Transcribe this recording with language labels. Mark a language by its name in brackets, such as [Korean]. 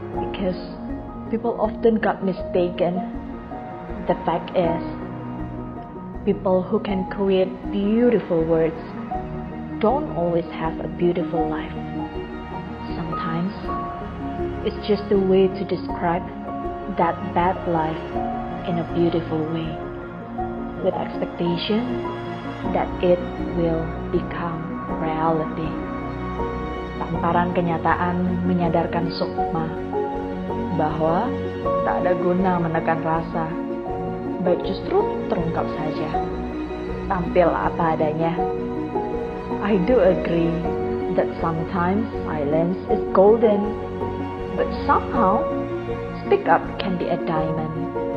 [English] Because people often got mistaken. The fact is, people who can create beautiful words don't always have a beautiful life. Sometimes, it's just a way to describe that bad life in a beautiful way, with expectation that it will become reality. [Indonesian] Tamparan kenyataan menyadarkan sukma bahwa tak ada guna menekan rasa, baik justru terungkap saja, tampil apa adanya. [English] I do agree that sometimes silence is golden, but somehow speak up can be a diamond.